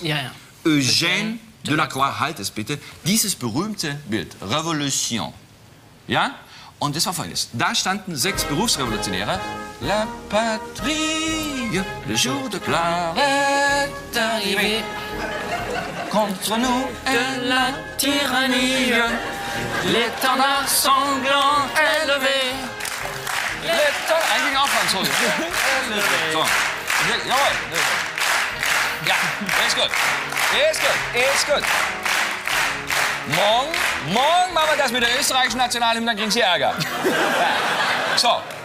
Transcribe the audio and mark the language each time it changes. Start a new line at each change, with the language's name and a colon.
German: Ja, ja. Eugène Delacroix, halt es bitte, dieses berühmte Bild, Revolution, ja, und das war Folgendes, da standen 6 Berufsrevolutionäre,
French: La Patrie, le jour de gloire est arrivé. Contre nous est la tyrannie. L'étendard sanglant est levé.
German: Eigentlich auch Franzosisch. Ja, jawohl. Ja, ist gut. Ist gut. Morgen machen wir das mit der österreichischen Nationalhymne, dann kriegen Sie Ärger. So.